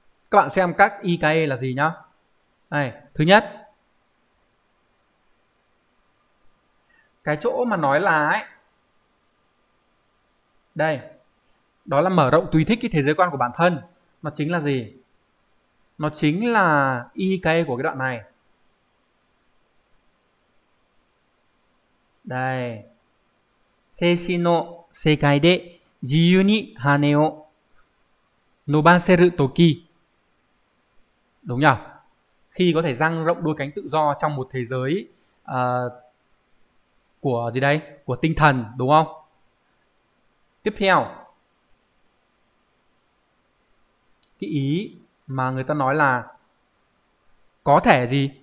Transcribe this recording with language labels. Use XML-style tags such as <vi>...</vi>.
<vi>Các bạn xem các ikae là gì nhá. Đây, thứ nhất, cái chỗ mà nói là ấy, đây, đó là mở rộng tùy thích cái thế giới quan của bản thân. Nó chính là gì? Nó chính là ikae của cái đoạn này.</vi> <ja>Đây, 精神の世界で自由に羽を伸ばせる時.</ja> <vi>Đúng nhỉ? Khi có thể dang rộng đôi cánh tự do trong một thế giới của gì đây? Của tinh thần, đúng không? Tiếp theo, cái ý mà người ta nói là có thể gì?</vi>